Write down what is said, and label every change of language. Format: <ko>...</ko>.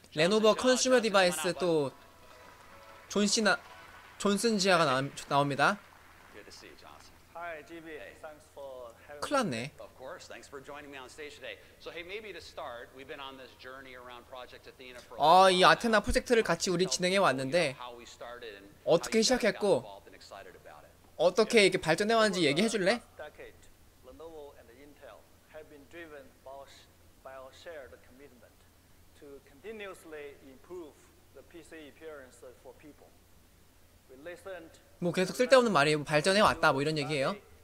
<ko>Lenovo Consumer Device 또 존시나 존슨지아가 나옵니다.</ko> <en>Good to see you, Johnson. Hi, GB. Thanks for having me.</en> <ko>큰일 났네.</ko> <en>Of course. Thanks for joining me on stage today. So hey, maybe to start, we've been on this journey around Project Athena for a while.</en> <ko>이 아테나 프로젝트를 같이 우리 진행해 왔는데 어떻게 시작했고 어떻게 이렇게 발전해 왔는지 얘기해 줄래?</ko> <en>Lenovo and Intel have been driven by a shared commitment to continuously improve the PC appearance for people. We listened.</en> <ko>뭐 계속 쓸데없는 말이에요. 발전해 왔다 뭐 이런 얘기예요.</ko>